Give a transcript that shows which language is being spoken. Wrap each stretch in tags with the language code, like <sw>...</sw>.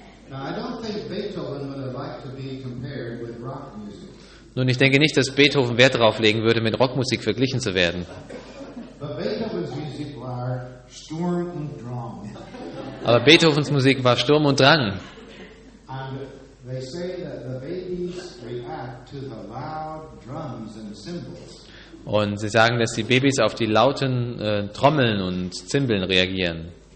<en>Now, I don't think Beethoven would have liked to be compared with rock music.</en> <de>Nun, ich denke nicht, dass Beethoven Wert darauf legen würde, mit Rockmusik verglichen zu werden.</de> <en>But Beethoven's music</en> <de>war</de> <en>Sturm und Drang.</en> <de>Aber Beethovens Musik war Sturm und Drang.</de> <en>And they say that the babies react to the loud drums and cymbals.</en> <de>Und sie sagen, dass die Babys auf die lauten Trommeln und Zimbeln reagieren.</de>